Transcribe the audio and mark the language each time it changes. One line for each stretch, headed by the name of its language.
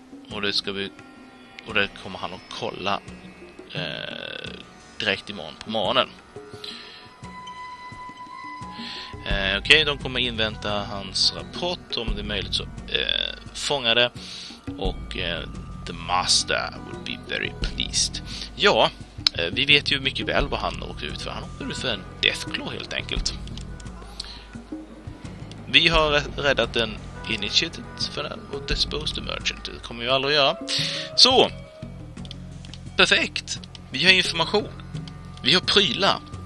Swedish: Och det ska vi... Och det kommer han att kolla direkt imorgon på morgonen. Okej, de kommer invänta hans rapport om det är möjligt så fånga det.
English: Och the master would be very pleased.
Swedish: Ja, vi vet ju mycket väl vad han åker ut för. Han åker ut för en Deathclaw helt enkelt. Vi har räddat en initiated för den och
English: disposed the merchant.
Swedish: Det kommer ju aldrig göra. Så, perfekt. Vi har information. Vi har prylar.